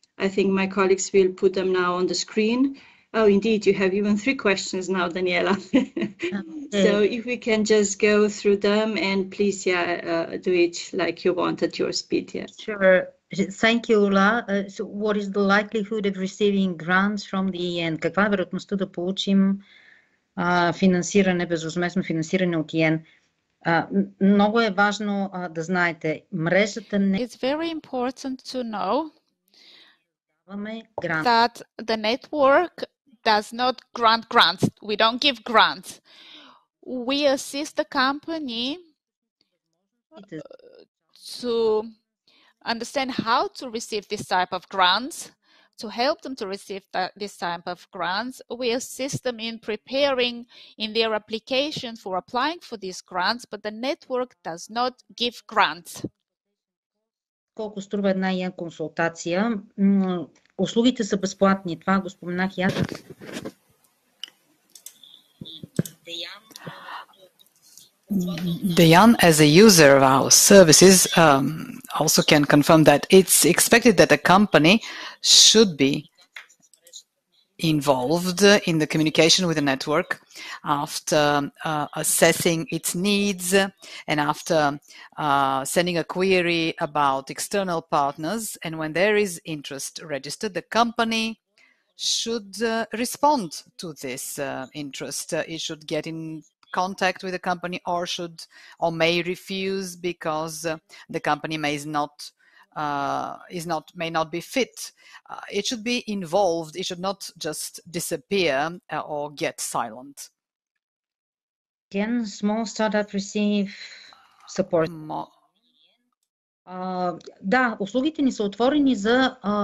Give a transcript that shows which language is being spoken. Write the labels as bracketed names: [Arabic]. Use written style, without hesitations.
[English] I think my colleagues will put them now on the screen. Oh, indeed, you have even three questions now, Daniela. So if we can just go through them and please, yeah, do it like you want at your speed. Yeah. Sure. Thank you, Ula. So what is the likelihood of receiving grants from the EN? [Bulgarian] Каква е вероятността да получим финансиране, безвъзмездно финансиране от EN? Много е важно да знаете, мрежата не... [English] It's very important to know that the network does not grant grants. We don't give grants. We assist the company to understand how to receive this type of grants, to help them to receive this type of grants. We assist them in preparing in their application for applying for these grants, but the network does not give grants. [Bulgarian] Колко струва една и консултация? Услугите са безплатни, това го споменах и аз. [English] Diane, as a user of our services, also can confirm that it's expected that a company should be involved in the communication with the network after assessing its needs and after sending a query about external partners. And when there is interest registered, the company should respond to this interest. It should get in contact with the company or should or may refuse because the company may not be fit. It should be involved. It should not just disappear or get silent. Can small startup receive support? [Bulgarian] Да, услугите ни са отворени за